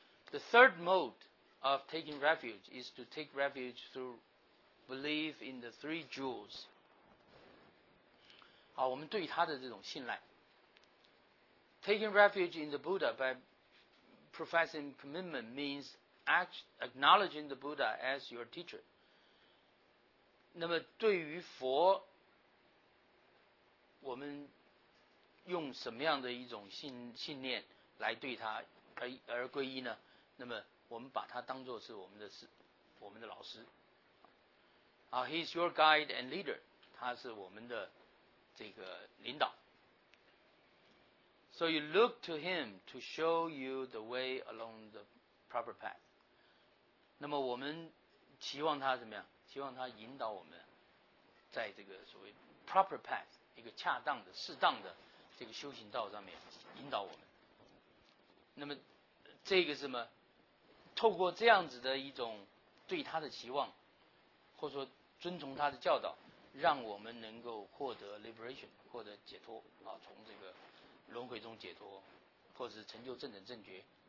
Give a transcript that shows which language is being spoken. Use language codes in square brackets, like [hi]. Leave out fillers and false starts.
[en] The third mode of taking refuge is to take refuge through belief in the three jewels。 [zh] 好，我们对他的这种信赖 [en] ，taking refuge in the Buddha by professing commitment means。 Acknowledging the Buddha as your teacher. [zh] 那么对于佛，我们用什么样的一种信念来对他而皈依呢？那么我们把他当作是我们的老师。 [en] He is your guide and leader. [zh] 他是我们的这个领导。 [en] So you look to him to show you the way along the proper path. [zh] 那么我们期望他怎么样？期望他引导我们，在这个所谓 proper path 一个恰当的、适当的这个修行道上面引导我们。那么这个是什么？透过这样子的一种对他的期望，或者说遵从他的教导，让我们能够获得 liberation， 获得解脱啊，从这个轮回中解脱，或是成就正等正觉。